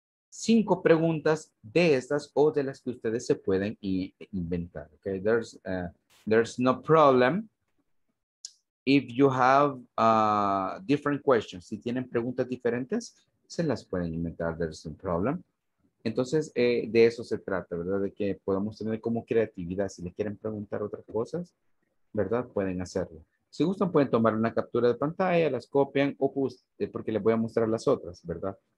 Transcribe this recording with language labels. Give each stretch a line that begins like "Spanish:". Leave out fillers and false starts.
Spanish: 5 preguntas de estas o de las que ustedes se pueden inventar.
English: Okay, there's no problem if you have different questions.
Spanish: Si tienen preguntas diferentes, se las pueden inventar.
English: There's no problem.
Spanish: Entonces, de eso se trata, ¿verdad? De que podamos tener como creatividad. Si le quieren preguntar otras cosas, ¿verdad? Pueden hacerlo. Si gustan, pueden tomar una captura de pantalla, las copian, o puse, porque les voy a mostrar las otras, ¿verdad?